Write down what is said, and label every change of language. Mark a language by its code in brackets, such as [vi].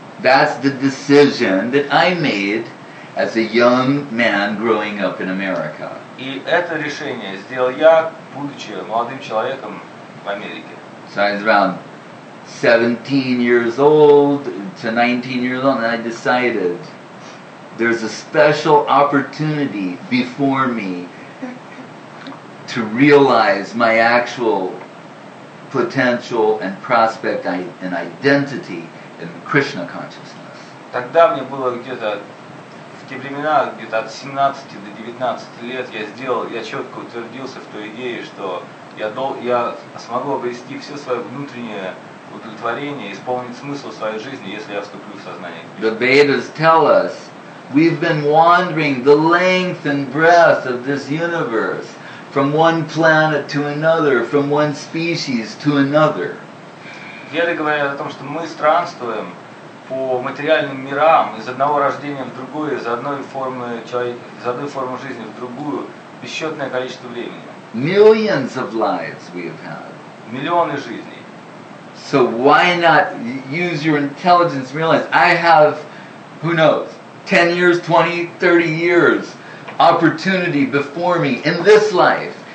[en] That's the decision that I made as a young man growing up in America. [ru] И это решение сделал я, будучи молодым человеком в Америке. [en] So I was around 17 years old to 19 years old, and I decided there's a special opportunity before me to realize my actual potential and prospect and identity in Krishna consciousness. [ru] Тогда мне было где-то в те времена, где-то от 17 до 19 лет, я четко утвердился в той идее, что я смогу обрести все свое внутреннее удовлетворение, исполнить смысл своей жизни, если я вступлю в сознание. [en] The Vedas tell us, we've been wandering the length and breadth of this universe from one planet to another, from one species to another. [ru] Веды говорят о том, что мы странствуем по материальным мирам из одного рождения в другое, из одной формы жизни в другую бесчетное количество времени. [en] Millions of lives we have had. [ru] Миллионы жизней. [en] So why not use your intelligence and realize I have, who knows, 10 years, 20, 30 years opportunity before me in this life.